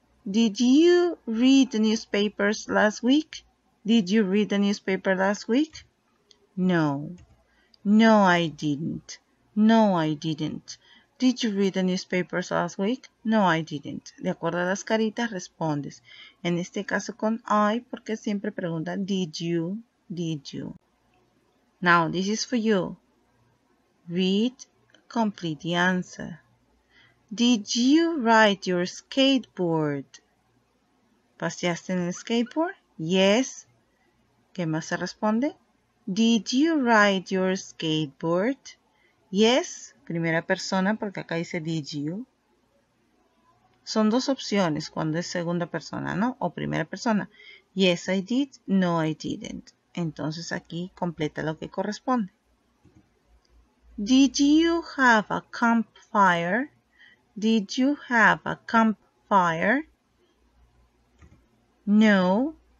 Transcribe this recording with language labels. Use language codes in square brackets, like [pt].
[en] Did you read the newspapers last week? Did you read the newspaper last week? No. No, I didn't. No, I didn't. Did you read the newspapers last week? No, I didn't. [es] De acuerdo a las caritas, respondes. En este caso con I, porque siempre pregunta, [en] did you? Did you? Now, this is for you. Read, complete the answer. Did you ride your skateboard? [es] ¿Paseaste en el skateboard? Yes. ¿Qué más se responde? [en] Did you ride your skateboard? Yes. [es] Primera persona, porque acá dice did you. Son dos opciones cuando es segunda persona, ¿no? O primera persona. [en] Yes, I did. No, I didn't. [es] Entonces aquí completa lo que corresponde. [en] Did you have a campfire? Did you have a campfire? No.